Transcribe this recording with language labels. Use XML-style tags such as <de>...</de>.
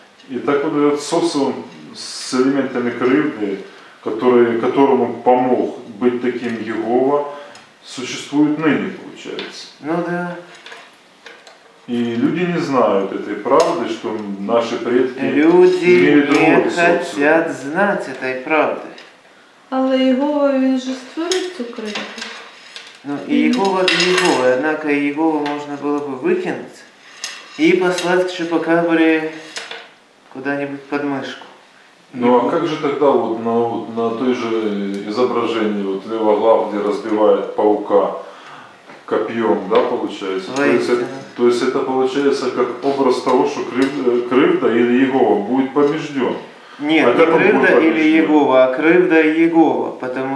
<ru>И так вот этот социум с элементами кривды, которому помог быть таким Иегова, существует ныне, получается. Ну да. И люди не знают этой правды, что наши предки люди имели другой социум. Люди не хотят знать этой правды.</ru> <uk>Але Єгова, він же створив цю кривду. Ну, і Єгова для Єгова, однак Єгову можна було б викинути і послати к Чупакабрі куди-нибудь під мишку. Ну, а як же тоді вот на той же зображенні, вот Лева Глав, де розбиває паука коп'єм, да, получається? Тобто це получається як образ того, що кривда или Єгова буде побіжден.</uk> <ru>Нет, а не кривда или Иегова, а кривда и Иегова, потому</ru>